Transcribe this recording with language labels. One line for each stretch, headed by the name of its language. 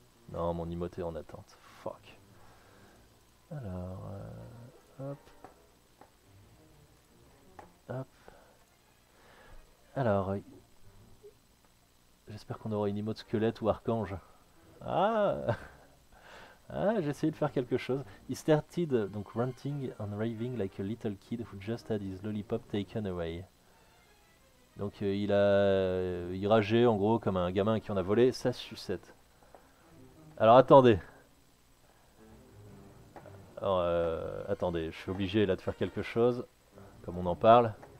French: Non, mon emote est en attente. Fuck. Alors, hop. Alors, j'espère qu'on aura une emote squelette ou archange. Ah, j'ai essayé de faire quelque chose.
English: He started
French: donc
English: ranting and raving like a little kid who just had his lollipop taken away.
French: Donc il rageait en gros comme un gamin qui en a volé sa sucette. Alors attendez. Alors attendez, je suis obligé là de faire quelque chose, comme on en parle.